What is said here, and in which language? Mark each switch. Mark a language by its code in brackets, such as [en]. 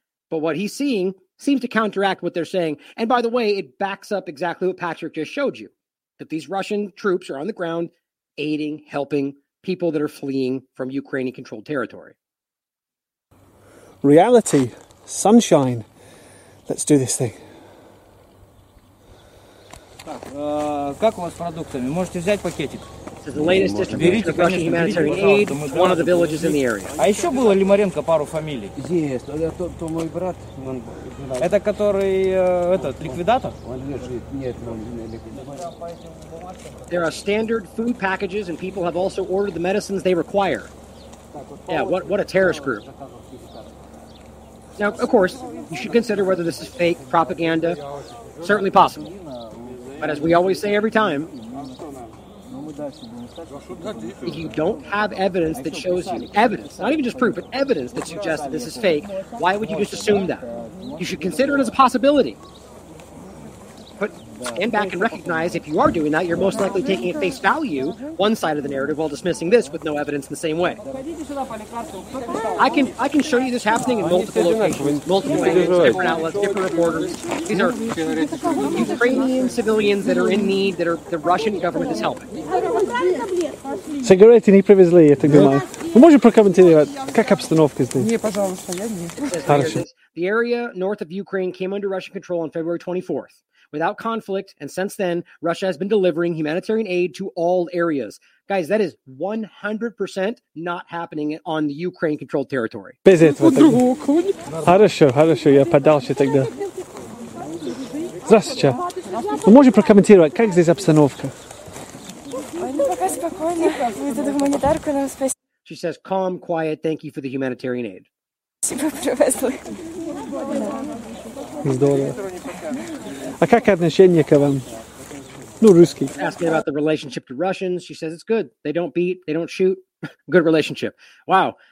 [en] But what he's seeing seems to counteract what they're saying. And by the way, it backs up exactly what Patrick just showed you, that these Russian troops are on the ground aiding, helping people that are fleeing from Ukrainian-controlled territory. Reality. Sunshine. Let's do this thing. [ru] Как у вас с продуктами? Можете взять пакетик? [en] The latest distribution of Russian humanitarian aid to one of the villages in the area. [ru] А еще было Лимаренко пару фамилий. Есть, то мой брат. Это который этот ликвидатор? Нет, он не ликвидатор. [en] There are standard food packages, and people have also ordered the medicines they require. Yeah, what a terrorist group. Now, of course, you should consider whether this is fake propaganda. Certainly possible. But as we always say every time, if you don't have evidence that shows you, evidence, not even just proof, but evidence that suggests that this is fake, why would you just assume that? You should consider it as a possibility. But stand back and recognize if you are doing that, you're most likely taking at face value one side of the narrative while dismissing this with no evidence in the same way. I can show you this happening in multiple locations, multiple ways, different outlets, different reporters. These are Ukrainian civilians that are in need, that are the Russian government is helping. [ru] Сигареты не привезли, я так думаю. Вы можете прокомментировать, как обстановка здесь? Не, пожалуйста, я не. Хорошо. [en] The area north of Ukraine came under Russian control on February 24th. Without conflict, and since then, Russia has been delivering humanitarian aid to all areas. Guys, that is 100% not happening on the Ukraine-controlled territory. [ru] Хорошо, хорошо, я подальше тогда. Здравствуйте. Вы можете прокомментировать, как здесь обстановка? Пока спокойно. Вы тут гуманитарку нам спасибо. [en] She says, calm, quiet, thank you for the humanitarian aid. [ru] Спасибо, профессор. Здорово. А как отношение к вам? Ну, русский. [en] Asking about the relationship to Russians, she says it's good. They don't beat, they don't shoot. Good relationship. Wow.